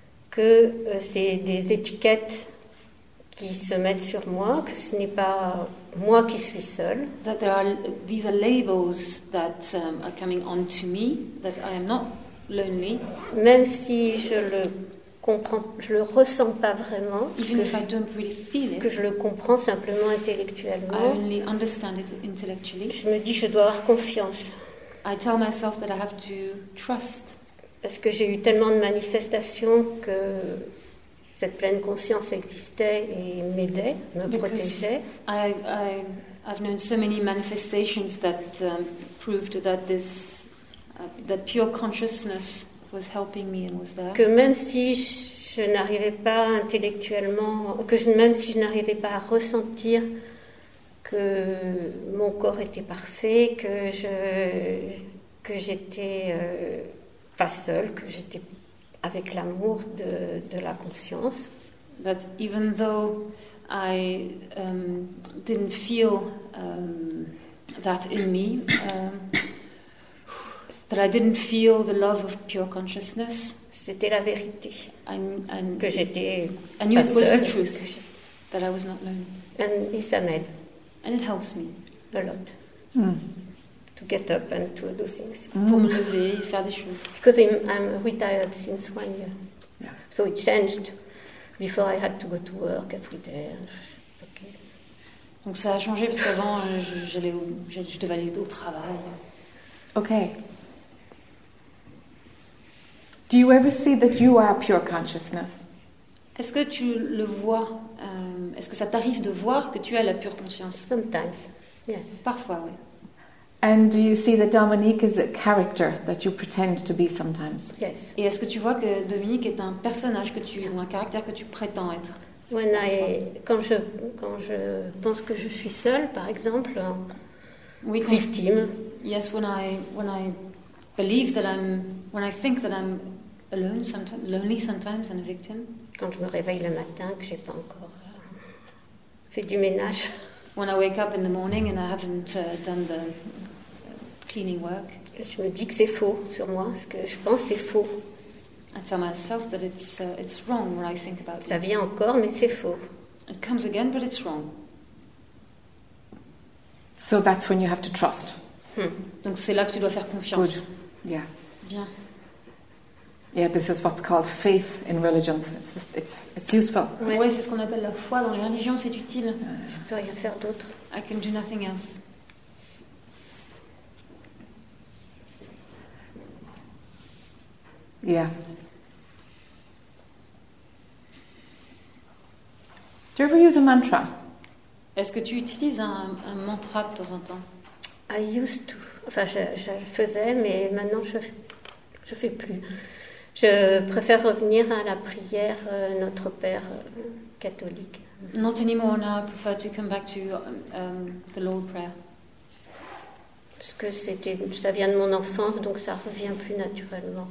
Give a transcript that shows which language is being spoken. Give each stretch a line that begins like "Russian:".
French: que c'est des étiquettes qui se mettent sur moi, que ce n'est pas moi qui suis seule.
English: That there are these are labels that are coming onto me, that I am not lonely.
French: Même si je le comprends, je le ressens pas vraiment.
English: Even if I don't really feel it,
French: que je le comprends simplement intellectuellement.
English: I only understand it intellectually.
French: Je me dis que je dois avoir confiance.
English: I tell myself that I have to trust.
French: Parce que j'ai eu tellement de manifestations que cette pleine conscience existait et m'aidait, me protégeait.
English: I've known so many manifestations that proved that this that pure consciousness was helping me and was there.
French: Que même si je n'arrivais pas intellectuellement, je n'arrivais pas à ressentir que mon corps était parfait, que j'étais pas seule, que j'étais avec l'amour de la conscience.
English: That even though I didn't feel that in me, that I didn't feel the love of pure consciousness,
French: c'était la vérité.
English: And
French: que j'étais
English: I knew it was the truth, that I was not lonely.
French: Et ça m'aide.
English: And it helps me a lot. Mm. To get up and to do things.
French: Mm. Pour me lever, faire des choses.
English: Because I'm retired since 1 year. Yeah. So it changed. Before I had to go to work every day. Okay.
French: Donc ça a changé parce qu'avant je devais aller au travail.
English: Okay. Do you ever see that you are pure consciousness?
French: Est-ce que tu le vois? Est-ce que ça t'arrive de voir que tu as la pure conscience?
English: Sometimes, yes.
French: Parfois, oui.
English: And do you see that Dominique is a character that you pretend to be sometimes? Yes.
French: Et est-ce que tu vois que Dominique est un personnage que tu ou un caractère que tu prétends être?
English: When
French: quand je pense que je suis seule, par exemple, oui, victime.
English: Yes, when I think that I'm alone sometimes, lonely sometimes, and a victim.
French: Quand je me réveille le matin, que j'ai pas encore fait du ménage.
English: When I wake up in the morning and I haven't done the cleaning work.
French: Je me dis que c'est faux sur moi, ce que je pense c'est faux.
English: I tell myself that it's wrong what I think about.
French: Ça vient encore, mais c'est faux.
English: It comes again, but it's wrong. So that's when you have to trust.
French: Donc c'est là que tu dois faire confiance.
English: Good. Yeah.
French: Bien.
English: Yeah, this is what's called faith in religions. It's useful.
French: Oui, ouais, c'est ce qu'on appelle la foi dans les religions. C'est utile. Je peux rien faire d'autre.
English: I can do nothing else. Yeah. Do you ever use a mantra?
French: Est-ce que tu utilises un mantra de temps en temps?
English: I used to.
French: Enfin, je faisais, mais maintenant je fais plus. Je préfère revenir à la prière Notre Père catholique.
English: Not anymore now, I prefer to come back to the Lord's Prayer.
French: Parce que ça vient de mon enfance, donc ça revient plus naturellement.